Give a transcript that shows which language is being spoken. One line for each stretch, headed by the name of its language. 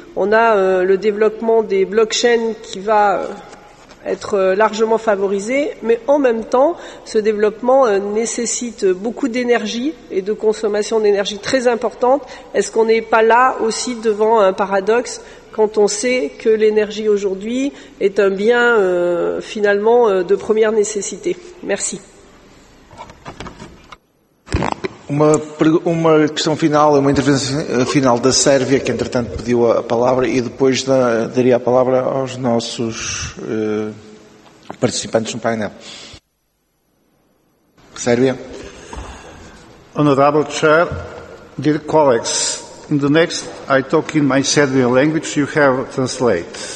French: On a le développement des blockchains qui va être largement favorisé, mais en même temps, ce développement nécessite beaucoup d'énergie et de consommation d'énergie très importante. Est-ce qu'on n'est pas là aussi devant un paradoxe quand on sait que l'énergie aujourd'hui est un bien finalement de première nécessité? Merci.
Portuguese: Uma questão final, uma intervenção final da Sérvia, que entretanto pediu a palavra, e depois daria a palavra aos nossos participantes no painel. Sérvia.
English: Honorable Chair, dear colleagues, in the next I talk in my Serbian language, you have translate.